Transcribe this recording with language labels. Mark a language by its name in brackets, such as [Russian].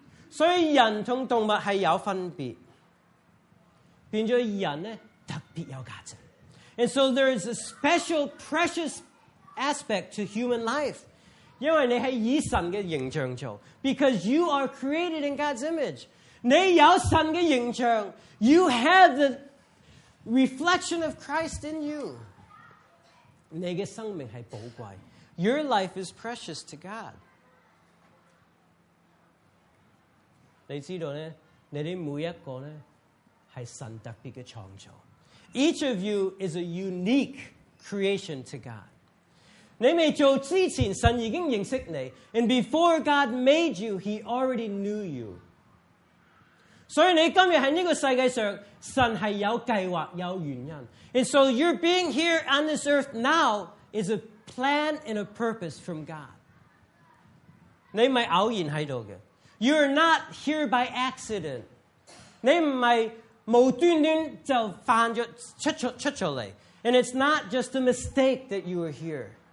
[Cantonese] 所以人同动物系有分别, 变咗人咧特别有价值. [English] And so there is a special, precious aspect to human life. [Cantonese] 因为你系以神嘅形象做, [English] because you are created in God's image. [Cantonese] 你有神的形象, [English] you have the reflection of Christ in you. [Cantonese] 你的生命是宝贵, [English] your life is precious to God. [Cantonese] 你知道呢, 你们每一个呢, 是神特别的创造。 [English] Each of you is a unique creation to God. [Cantonese] 你未做之前,神已经认识你, [English] and before God made you, he already knew you. [Cantonese] 所以你今天在这个世界上,神是有计划,有原因. [English] And so your being here on this earth now is a plan and a purpose from God. [Cantonese] 你不是偶然在这里的, [English] you are not here by accident. [Cantonese] 你不是无端端就犯了,出来, [English] and it's not just a mistake that you are here.